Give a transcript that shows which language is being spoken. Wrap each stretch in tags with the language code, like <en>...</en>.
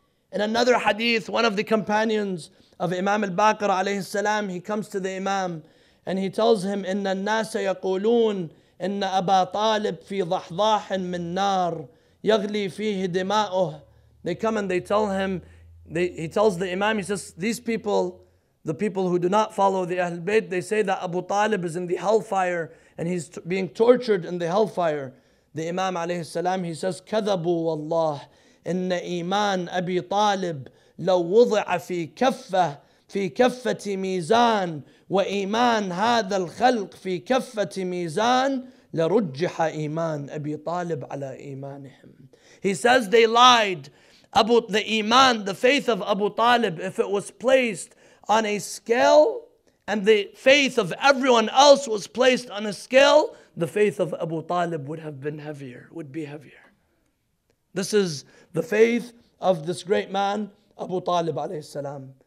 <en>In another hadith, one of the companions of Imam al-Baqir alayhi salam, he comes to the Imam and he tells him,</en> <ar>إِنَّ النَّاسَ يَقُولُونَ إِنَّ أَبَا طَالِبْ فِي ضَحْضَاحٍ مِّن نَار يَغْلِي فِيهِ دِمَاؤُهُ</ar> <en>They come and they tell him, he tells the Imam, he says, these people, the people who do not follow the Ahl Bayt, they say that Abu Talib is in the hellfire and he's being tortured in the hellfire. The Imam alayhi salam, he says,</en> <ar>كَذَبُوا وَاللَّهِ إِنَّ إِيمَانَ أَبِي طَالِبْ لَوْ وُضِعَ فِي كَفَّةِ مِيزَانِ وَإِيمَانَ هَذَا الْخَلْقِ فِي كَفَّةِ مِيزَانِ لَرُجِّحَ إِيمَانَ أَبِي طَالِبْ عَلَىٰ إِيمَانِهِمْ</ar> <en>He says they lied. The Iman, the faith of Abu Talib, if it was placed on a scale and the faith of everyone else was placed on a scale, the faith of Abu Talib would be heavier. This is the faith of this great man, Abu Talib alayhi salam.</en>